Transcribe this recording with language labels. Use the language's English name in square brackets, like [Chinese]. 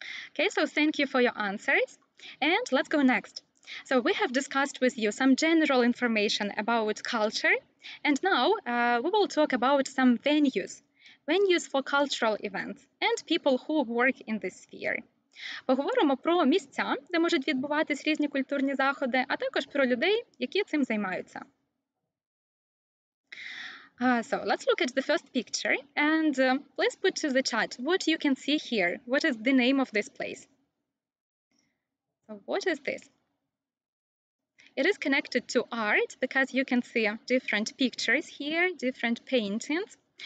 [English] Okay, so thank you for your answers. And let's go next. So we have discussed with you some general information about culture. And now we will talk about some venues. Venues for cultural events and people who work in this sphere. [Ukrainian] Поговоримо про місця, де можуть відбуватись різні культурні заходи, а також про людей, які цим займаються. [English] So, let's look at the first picture and please put to the chat what you can see here. What is the name of this place? So, what is this? It is connected to art because you can see different pictures here, different paintings.